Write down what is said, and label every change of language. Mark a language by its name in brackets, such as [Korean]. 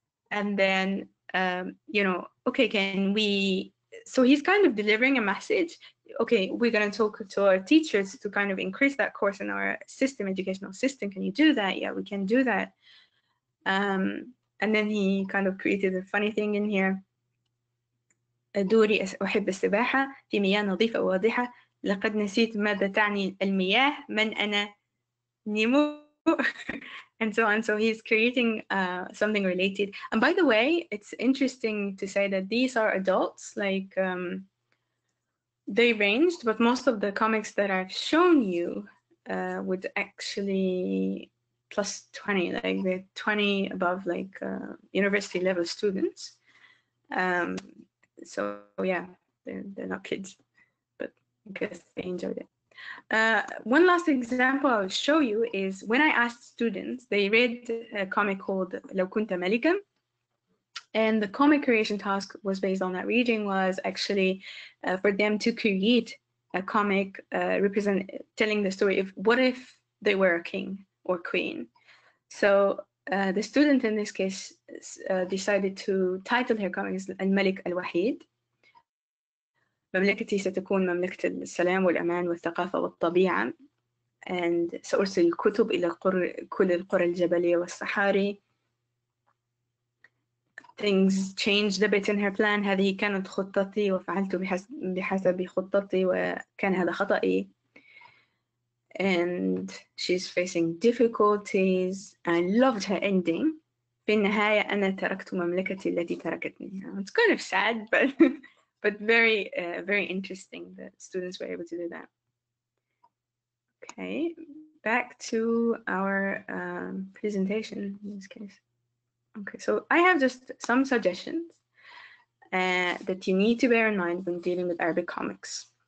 [English] And then, you know, okay, can we, so he's kind of delivering a message. Okay, we're going to talk to our teachers to kind of increase that course in our system, educational system. Can you do that? Yeah, we can do that. And then he kind of created a funny thing in here. [Arabic] دوري أحب السباحة في مياه نظيفة واضحة لقد نسيت ماذا تعني المياه من أنا نيمو [English] and so on. So he's creating something related. And by the way, it's interesting to say that these are adults, like they ranged, but most of the comics that I've shown you would actually plus 20, like the 20 above, like university level students. So yeah, they're not kids, but I guess they enjoyed it. One last example I'll show you is when I asked students, they read a comic called Lo Kunta Malikam, and the comic creation task was based on that reading was actually for them to create a comic represent telling the story of what if they were a king or queen. So the student in this case decided to title her comic as Al Malik Al Wahid. [Arabic] مملكتي ستكون مملكة السلام والأمان والثقافة والطبيعة and سأرسل الكتب إلى كل القرى الجبلية والصحاري. [English] Things changed a bit in her plan. [Arabic] هذه كانت خطتي وفعلت بحسب خطتي وكان هذا خطأي. [English] And she's facing difficulties. I loved her ending. [Arabic] في النهاية أنا تركت مملكتي التي تركتني. [English] It's kind of sad, but very, very interesting that students were able to do that. Okay, back to our presentation in this case. Okay, so I have just some suggestions that you need to bear in mind when dealing with Arabic comics.